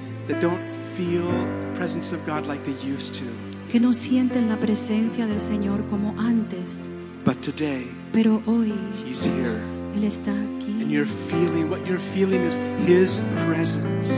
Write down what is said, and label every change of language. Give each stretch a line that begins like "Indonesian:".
English: That don't feel the presence of God like they used to.
Spanish: Que no sienten la presencia del Señor como antes.
English: But today.
Spanish: Pero hoy.
English: He's here.
Spanish: Él está aquí.
English: And you're feeling, what you're feeling is His presence.